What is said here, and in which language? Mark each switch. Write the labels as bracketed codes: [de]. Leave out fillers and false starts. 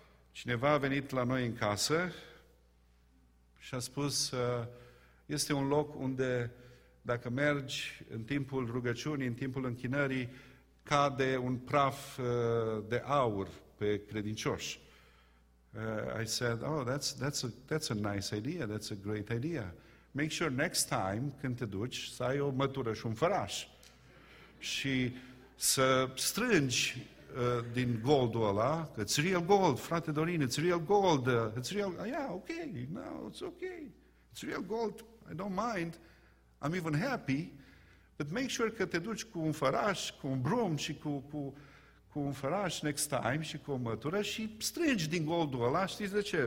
[ro] Cineva a venit la noi în casă și a spus, este un loc unde dacă mergi în timpul rugăciunii, în timpul închinării, cade un praf de aur pe credincioși. [en] I said, oh, that's a nice idea, that's a great idea. Make sure next time, [ro] când te duci, să ai o mătură și un făraș. Și să strângi din goldul ăla, că [en] it's real gold, [ro] frate Dorin, [en] it's real gold, it's real, yeah, okay, now it's okay, it's real gold, I don't mind, I'm even happy, but make sure [ro] că te duci cu un făraș, cu un brum și cu un făraș [en] next time [ro] și cu o mătură și strângi din goldul ăla, știți de ce?